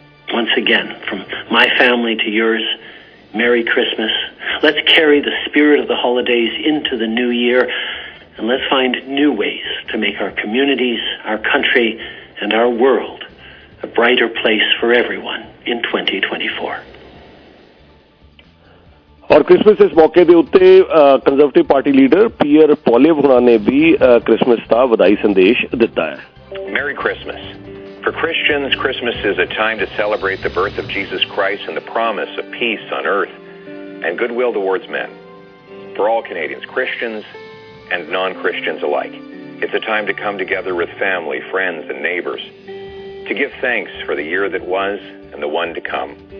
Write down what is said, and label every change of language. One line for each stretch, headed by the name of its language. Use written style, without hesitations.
English: Once again, from my family to yours, Merry Christmas. Let's carry the spirit of the holidays into the new year, and let's find new ways to make our communities, our country, and our world a brighter place for everyone in 2024.
Punjabi: ਔਰ Christmas ਇਸ ਮੌਕੇ ਦੇ ਉੱਤੇ conservative party leader peer ਪੋਲਿਵ ਹੁਣਾਂ ਨੇ ਵੀ Christmas ਦਾ ਵਧਾਈ ਸੰਦੇਸ਼ ਦਿੱਤਾ ਹੈ।
English: Merry Christmas. For Christians, Christmas is a time to celebrate the birth of Jesus Christ and the promise of peace on earth and goodwill towards men. For all Canadians, Christians and non-Christians alike, it's a time to come together with family, friends and neighbors to give thanks for the year that was and the one to come.